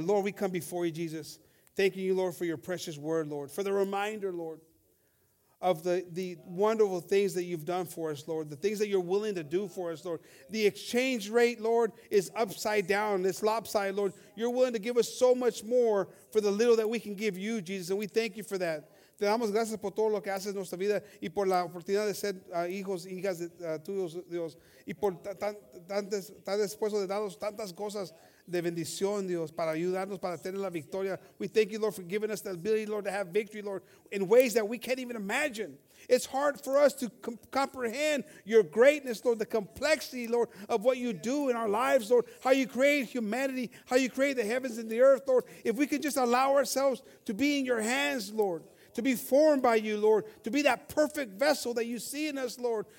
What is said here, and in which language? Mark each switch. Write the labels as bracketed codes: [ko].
[en] Lord, we come before you, Jesus. Thanking you, Lord, for your precious word, Lord, for the reminder, Lord, of the wonderful things that you've done for us, Lord, the things that you're willing to do for us, Lord. The exchange rate, Lord, is upside down. It's lopsided, Lord. You're willing to give us so much more for the little that we can give you, Jesus, and we thank you for that. [es] Te damos gracias por todo lo que haces en nuestra vida y por la oportunidad de ser hijos, hijas de tuyos, Dios, y por tan dispuesto de darnos tantas cosas de bendición, Dios, para ayudarnos para tener la victoria. [en] We thank you, Lord, for giving us the ability, Lord, to have victory, Lord, in ways that we can't even imagine. It's hard for us to comprehend your greatness, Lord, the complexity, Lord, of what you do in our lives, Lord, how you create humanity, how you create the heavens and the earth, Lord. If we could just allow ourselves to be in your hands, Lord, to be formed by you, Lord, to be that perfect vessel that you see in us, Lord.